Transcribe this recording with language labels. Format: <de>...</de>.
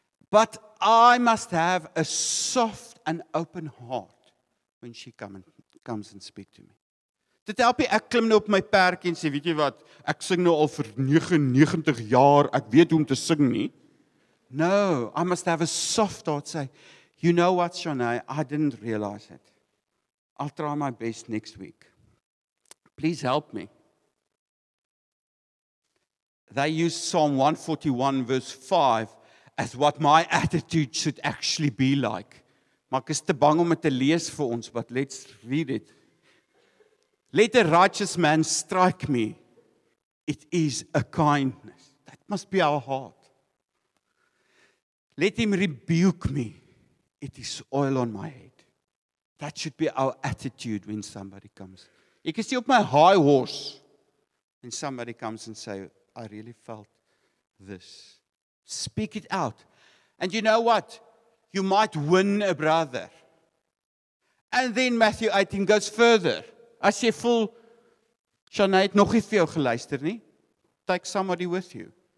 <en>But I must have a soft and open heart when she comes and speak to me.</en> <af>Dit help nie ek klim nou op my perkie en sê, weet jy wat, ek sing nou al vir 99 jaar, ek weet hoe om te sing nie.</af> <en>No, I must have a soft heart, say, you know what, Shanae, I didn't realize it. I'll try my best next week. Please help me. They use Psalm 141 verse 5 as what my attitude should actually be like.</en> <af>Maar ek is te bang om het te lees vir ons,</af> <en>but let's read it. Let a righteous man strike me. It is a kindness. That must be our heart. Let him rebuke me. It is oil on my head. That should be our attitude when somebody comes.</en> <af>Ek is hier op my</af> <en>high horse. And somebody comes and say, I really felt this. Speak it out. And you know what? You might win a brother. And then Matthew 18 goes further.</en> <af>As jy voel, Shanae het nog nie vir jou geluister nie,</af> <en>take somebody with you.</en>